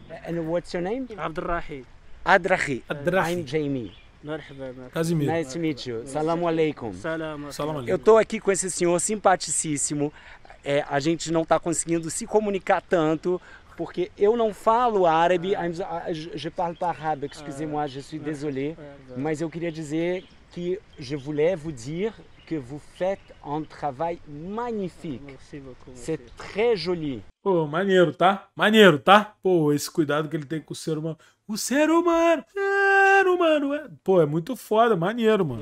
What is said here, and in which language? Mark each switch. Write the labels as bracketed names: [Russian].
[English] And what's your name? Abdrahi. Abdrahi. Abdrahi. I'm Jamie. Casimiro. Nice to meet you. [Arabic] Salamu alaikum. Salamu alaikum. [Portuguese] Eu tô aqui com esse senhor simpaticíssimo. É, a gente não tá conseguindo se comunicar tanto, porque eu não falo árabe. [French] Je parle pas arabe, excusez-moi, je suis désolé. [Portuguese] Mas eu queria dizer que [French] je voulais vous dire que vous faites un travail magnifique. C'est très joli. [Portuguese] Pô, maneiro, tá? Maneiro, tá? Pô, esse cuidado que ele tem com o ser humano. O ser humano! Mano, pô, é muito foda, maneiro, mano.